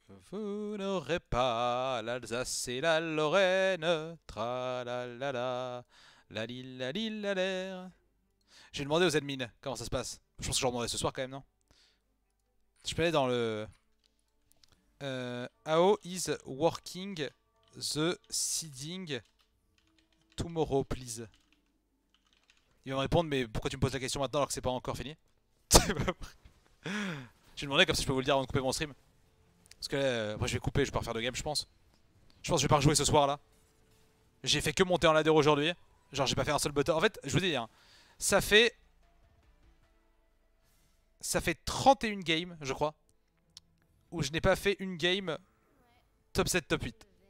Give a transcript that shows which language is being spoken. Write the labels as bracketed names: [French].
[French] Vous n'aurez pas l'Alsace et la Lorraine. Tra la la la la li la li la l'air. J'ai demandé aux admins comment ça se passe. Je pense que je leur demanderai ce soir quand même, non? Je peux aller dans le. [English] How is working the seeding tomorrow, please? [French] Ils vont me répondre, mais pourquoi tu me poses la question maintenant alors que c'est pas encore fini? J'ai demandé comme ça je peux vous le dire avant de couper mon stream. Parce que là, après je vais couper, je vais pas refaire de game, je pense. Je pense que je vais pas rejouer ce soir là. J'ai fait que monter en ladder aujourd'hui. Genre, j'ai pas fait un seul button. En fait, je vous dis, hein, ça fait 31 games, je crois, où je n'ai pas fait une game top 7, top 8.